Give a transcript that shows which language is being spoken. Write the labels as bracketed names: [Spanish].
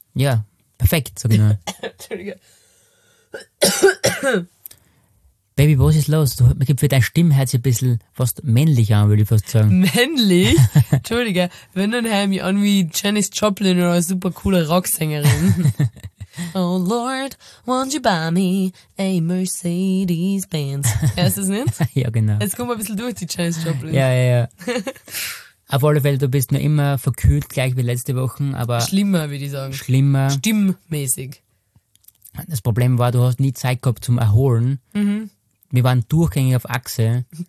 [German] Ja, perfekt, sag ich mal. Entschuldige. Baby, was ist los? Für dein Stimmherz ein bisschen fast männlich an, würde ich fast sagen. Männlich? Entschuldige, wenn dann hör ich mich an wie Janis Joplin oder eine super coole Rocksängerin. [English] Oh Lord, won't you buy me a Mercedes-Benz? [German] Hörst du es nicht? Ja, genau. Jetzt kommen wir ein bisschen durch, die Janis Joplin. Ja, ja, ja. Auf alle Fälle, du bist noch immer verkühlt, gleich wie letzte Woche, aber... Schlimmer, würde ich sagen. Schlimmer. Stimmmäßig. Das Problem war, du hast nie Zeit gehabt zum Erholen. Mhm. Wir waren durchgängig auf Achse.